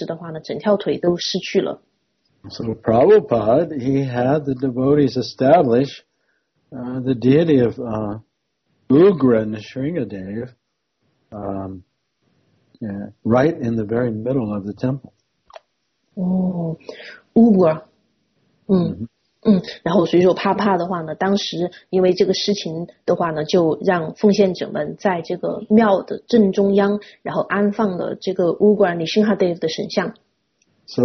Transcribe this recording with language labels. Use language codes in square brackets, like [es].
[zh] 然后所以说他当时整个那个腿的话，因为中弹以后，就是直接到那个臀大腿根部的位置的话呢，整条腿都失去了。So [en] Prabhupada, he had the devotees establish the deity of Ugra Nrisingadev right in the very middle of the temple. Ugra. [zh] 然后所以说怕怕的话呢，当时因为这个事情的话呢，就让奉献者们在这个庙的正中央，然后安放了这个乌格拉尼辛哈德的神像。So